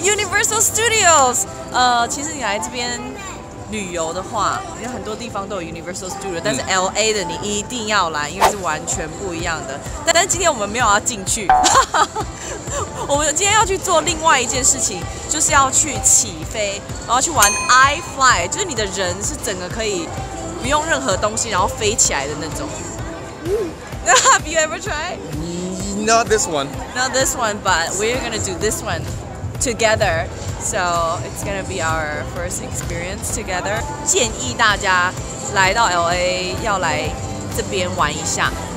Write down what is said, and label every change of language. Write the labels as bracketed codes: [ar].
[zh] Universal Studios， 其实你来这边旅游的话，有很多地方都有 Universal Studios， 但是 LA 的你一定要来，因为是完全不一样的。但今天我们没有要进去， 我们今天要去做另外一件事情，就是要去起飞，然后去玩 iFly， 就是你的人是整个可以不用任何东西，然后飞起来的那种。 [en] Have you ever tried? Not this one. Not this one, but we're gonna do this one together. So it's gonna be our first experience together. [zh] 建议大家来到 LA 要来这边玩一下。